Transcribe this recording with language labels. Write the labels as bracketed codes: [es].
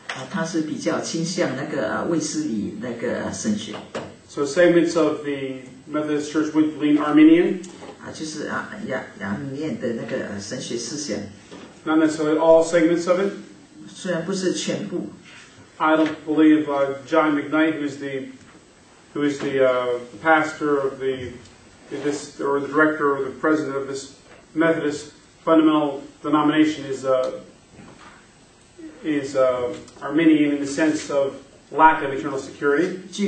[zh] 他是比较倾向那个卫斯理那个神学。 [en] So segments of the Methodist Church would lean Arminian. [zh] 就是阳面的那个神学思想。 [en] Not necessarily all segments of it. [zh] 虽然不是全部。 [en] I don't believe John McKnight, who is the pastor of the this or the director or the president of this Methodist fundamental denomination, is Arminian in the sense of lack of eternal security.